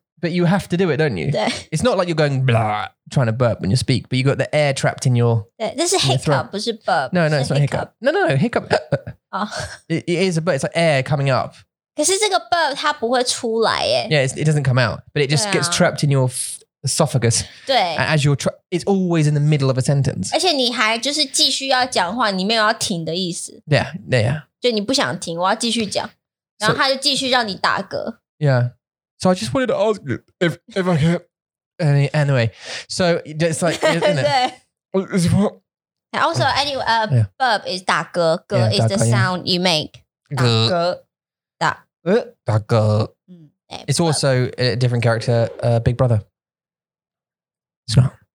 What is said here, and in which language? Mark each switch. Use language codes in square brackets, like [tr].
[en] But you have to do it, don't you? It's not like you're going blah, trying to burp when you speak, but you've got the air trapped in your This is hiccup, not burp. No, no, it's not hiccup. No, hiccup. It is a burp. It's like air coming up. It doesn't come out, but it just gets trapped in your esophagus. As you're it's always in the middle of a sentence. [zh] 而且你还就是继续要讲话, 你没有要停的意思。 [en] Yeah. [zh] 就你不想停, 我要继续讲, 然后他就继续让你打嗝。 [en] Yeah. So I just wanted to ask you if I can. Anyway, so it's like, isn't it? And also, anyway, burp is 打嗝, 嗝 is the sound you make. [zh] 打嗝. [en] It's also a different character, Big Brother. It's not.